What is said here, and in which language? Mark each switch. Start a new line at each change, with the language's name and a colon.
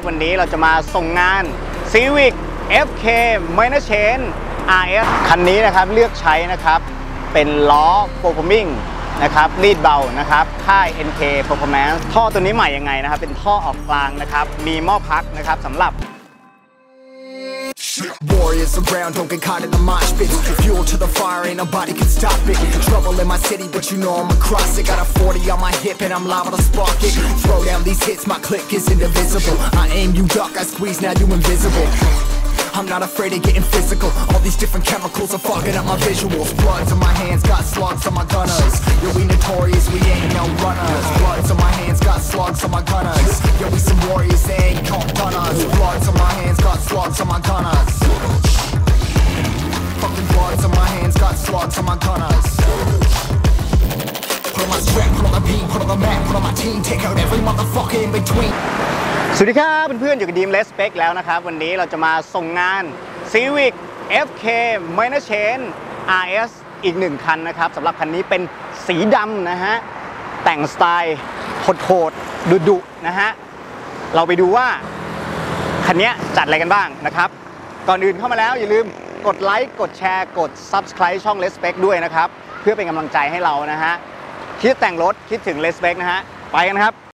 Thai: วันนี้เราจะมาส่งงาน Civic FK Minachain RS คันนี้นะครับเลือกใช้นะครับเป็นล้อโปรพรมิ่งนะครับรีดเบานะครับค่าย NK Performance ท่อตัวนี้ใหม่ยังไงนะครับเป็นท่อออกกลางนะครับมีหม้อพักนะครับสำหรับ
English: Warriors around, don't get caught in the mosh pit. Fuel to the fire, ain't nobody can stop it. Trouble in my city, but you know I'm across it. Got a 40 on my hip and I'm liable to spark it. Throw down these hits, my click is indivisible. I aim you duck, I squeeze, now you invisible. I'm not afraid of getting physical. All these different chemicals are fogging up my visuals. Bloods on my hands, got slugs on my gunners. Yo, we notorious, we ain't no runners. Bloods on my hands, got slugs on my gunners. Yo, we some warriors, they ain't called gunners. Bloods on my hands, got slugs on my gunners. Fucking bloods on my hands, got slugs on my gunners. Put on my strap, put on the beat, put on the map, put on my team, take out every motherfucker in between.
Thai: สวัสดีครับเพื่อนๆอยู่กับดีมเลสเปคแล้วนะครับวันนี้เราจะมาส่งงาน Civic FK Minachain RS อีก1คันนะครับสำหรับคันนี้เป็นสีดำนะฮะแต่งสไตล์โหดๆดุๆนะฮะเราไปดูว่าคันนี้จัดอะไรกันบ้างนะครับก่อนอื่นเข้ามาแล้วอย่าลืมกดไลค์กดแชร์กด Subscribe ช่อง Les Spec ด้วยนะครับเพื่อเป็นกำลังใจให้เรานะฮะคิดแต่งรถคิดถึง Les Spec นะฮะไปกันครับ